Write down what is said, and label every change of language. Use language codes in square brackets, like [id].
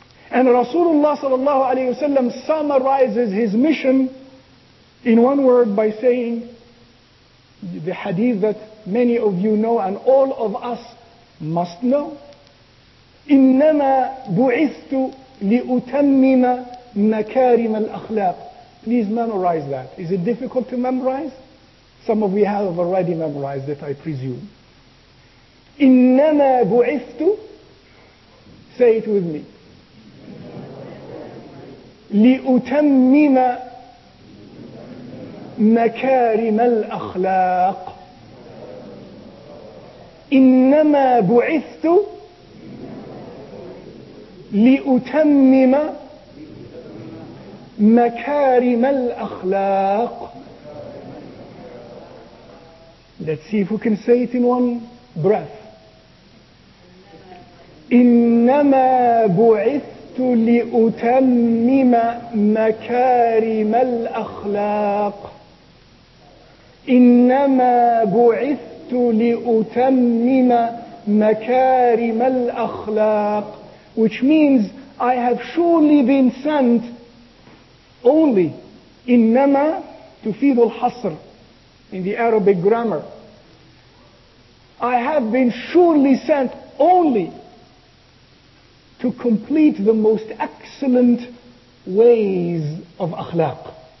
[en] And Rasulullah sallallahu alayhi wa sallam summarizes his mission in one word by saying the hadith that many of you know and all of us must know, [ar] إِنَّمَا بُعِثْتُ لِأُتَمِّمَ مكارم الأخلاق. [en] Please memorize that. Is it difficult to memorize? Some of you have already memorized it, I presume. [ar] إنما بعثت, [en] say it with me, [ar] لأتمم مكارم الأخلاق. إنما بعثت لأتمم مكارم الأخلاق. [en] Let's see if we can say it in one breath. [ar] إنما بعثت لأتمم مكارم الأخلاق. إنما بعثت لأتمم مكارم الأخلاق. [en] Which means, I have surely been sent only, innama, to feed al-hasr, in the Arabic grammar. I have been surely sent only to complete the most excellent ways of akhlaq.